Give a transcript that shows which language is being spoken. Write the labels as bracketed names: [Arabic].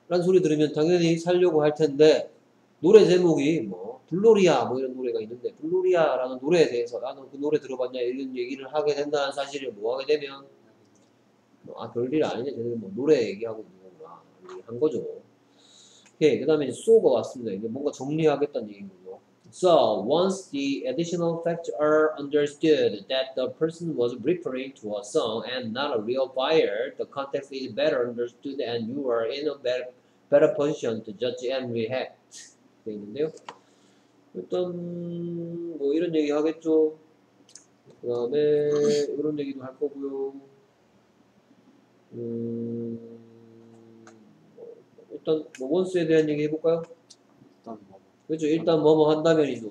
[Korean] 라는 소리 들으면 당연히 살려고 할 텐데 노래 제목이 뭐 블로리아 뭐 이런 노래가 있는데 블로리아라는 노래에 대해서 나는 그 노래 들어봤냐 이런 얘기를 하게 된다는 사실을 뭐 하게 되면 뭐, 아 별일 아니네. 쟤는 뭐 노래 얘기하고 있는 거구나 한 거죠. 오케이. 그 다음에 so가 왔습니다. 이제 뭔가 정리하겠다는 얘기군요. [English] So once the additional facts are understood that the person was referring to a song and not a real fire, the context is better understood and you are in a better position to judge and react. [Korean] 돼 있는데요. 일단 뭐 이런 얘기 하겠죠. 그 다음에 이런 얘기도 할 거고요. 일단 뭐 once에 대한 얘기 해볼까요? 일단 뭐 그렇죠. 일단 뭐뭐 한다면이죠.